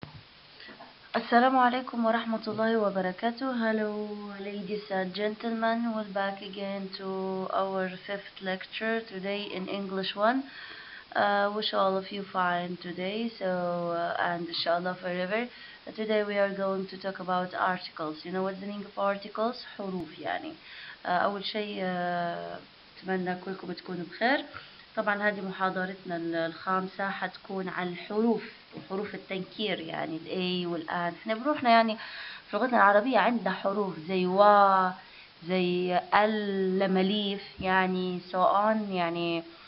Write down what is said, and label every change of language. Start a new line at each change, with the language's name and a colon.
Arabic: السلام عليكم ورحمة الله وبركاته.
English: Hello ladies and gentlemen, we're back again to our fifth lecture today in English 1. Wish all of you fine today, so and inshallah forever. Today we are going to talk about articles. You know what's the meaning of articles?
Arabic: حروف يعني. أول شيء أتمنى كلكم تكونوا بخير. طبعا هذه محاضرتنا الخامسة حتكون على الحروف وحروف التنكير يعني الاي والان. احنا بروحنا يعني في لغتنا العربية عندنا حروف زي وا زي المليف يعني
English: so on
Arabic: يعني.